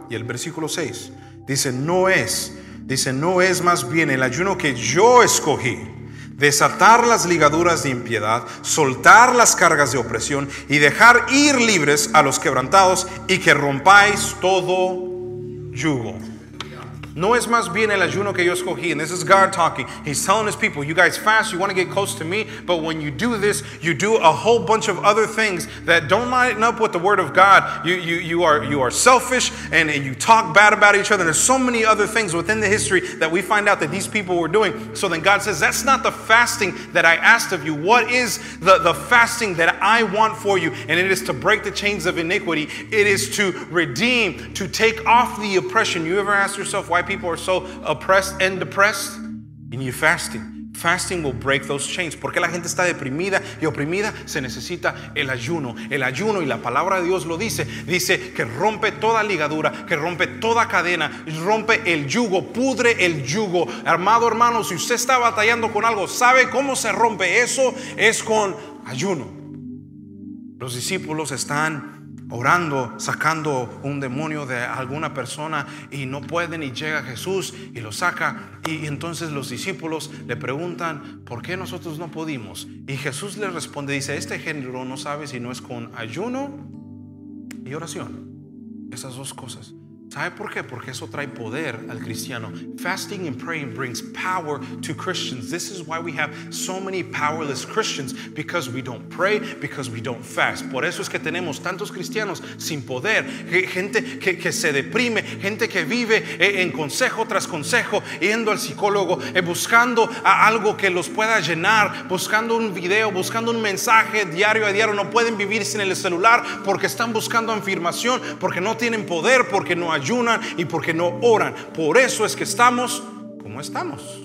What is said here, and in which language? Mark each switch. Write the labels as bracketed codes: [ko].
[es] Y el versículo 6 dice: no es más bien el ayuno que yo escogí: desatar las ligaduras de impiedad, soltar las cargas de opresión y dejar ir libres a los quebrantados, y que rompáis todo yugo. No es más bien el ayuno que yo escogí. [en] And this is God talking. He's telling his people, you guys fast, you want to get close to me, but when you do this, you do a whole bunch of other things that don't line up with the word of God. You are selfish, and you talk bad about each other. And there's so many other things within the history that we find out that these people were doing. So then God says, that's not the fasting that I asked of you. What is the fasting that I want for you? And it is to break the chains of iniquity. It is to redeem, to take off the oppression. You ever ask yourself why people are so oppressed and depressed? You need fasting. Fasting will break those chains. [es] ¿Por qué la gente está deprimida y oprimida? Se necesita el ayuno. El ayuno, y la palabra de Dios lo dice. Dice que rompe toda ligadura, que rompe toda cadena, rompe el yugo, pudre el yugo. Armado hermano, si usted está batallando con algo, ¿sabe cómo se rompe eso? Es con ayuno. Los discípulos están orando, sacando un demonio de alguna persona, y no pueden, y llega Jesús y lo saca. Y entonces los discípulos le preguntan: ¿por qué nosotros no pudimos? Y Jesús le responde, dice: este género no sabe si no es con ayuno y oración. Esas dos cosas. ¿Sabe por qué? Porque eso trae poder al cristiano. [en] Fasting and praying brings power to Christians. This is why we have so many powerless Christians, because we don't pray, because we don't fast. [es] Por eso es que tenemos tantos cristianos sin poder, gente que se deprime, gente que vive en consejo tras consejo, yendo al psicólogo, buscando a algo que los pueda llenar, buscando un video, buscando un mensaje diario a diario. No pueden vivir sin el celular porque están buscando afirmación, porque no tienen poder, porque no ayunan y porque no oran. Por eso es que estamos como estamos.